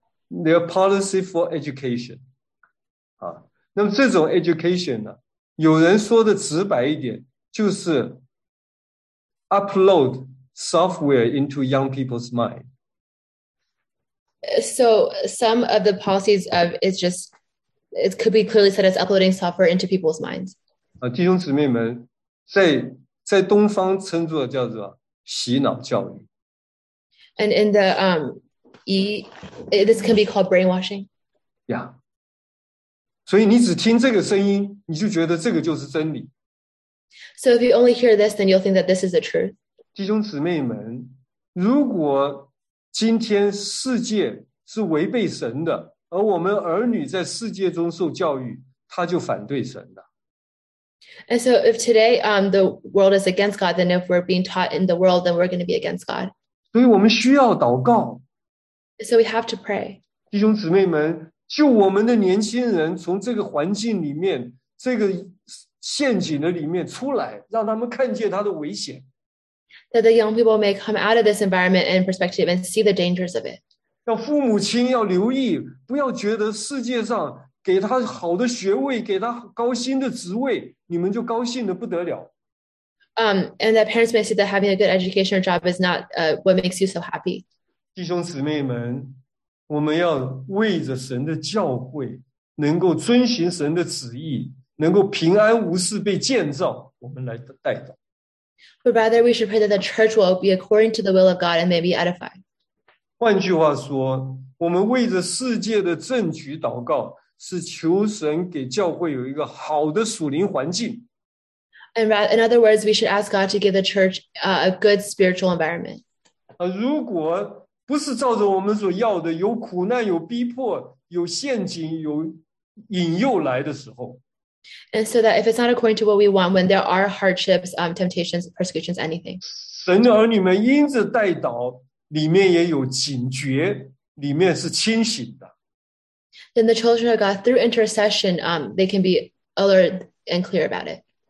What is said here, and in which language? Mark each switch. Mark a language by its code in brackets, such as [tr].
[en] Their policy for education. [zh] 那么这种 education 呢，有人说的直白一点，就是 [en] upload software into young people's mind. So some of the policies of it's just, it could be clearly said as uploading software into people's minds. [zh] 弟兄姊妹们，在东方称作叫做洗脑教育。 [en] And in the, this can be called brainwashing. Yeah. [zh] 所以你只听这个声音，你就觉得这个就是真理。 [en] So if you only hear this, then you'll think that this is the truth. [zh] 弟兄姊妹们，如果今天世界是违背神的，而我们儿女在世界中受教育，他就反对神的。 [en] And so if today the world is against God, then if we're being taught in the world, then we're going to be against God. [zh] 所以我们需要祷告。 [en] So we have to pray. [zh] 弟兄姊妹们，救我们的年轻人从这个环境里面，这个陷阱的里面出来，让他们看见他的危险。 [en] That the young people may come out of this environment and perspective and see the dangers of it. [zh] 让父母亲要留意，不要觉得世界上给他好的学位，给他高薪的职位，你们就高兴得不得了。 [en] And that parents may see that having a good education or job is not what makes you so happy. [zh] 弟兄姊妹们，我们要为着神的教会，能够遵循神的旨意，能够平安无事被建造，我们来代祷。 [en] But rather we should pray that the church will be according to the will of God and may be edified. [zh] 换句话说，我们为着世界的政局祷告，是求神给教会有一个好的属灵环境。 [en] And in other words, we should ask God to give the church a good spiritual environment. [zh] 如果不是照着我们所要的，有苦难、有逼迫、有陷阱、有引诱来的时候。 [en] And so that if it's not according to what we want, when there are hardships, temptations, persecutions, anything. [zh] 神的儿女们因着代祷，里面也有警觉，里面是清醒的。 [en] Then the children of God, through intercession, they can be alert and clear about it.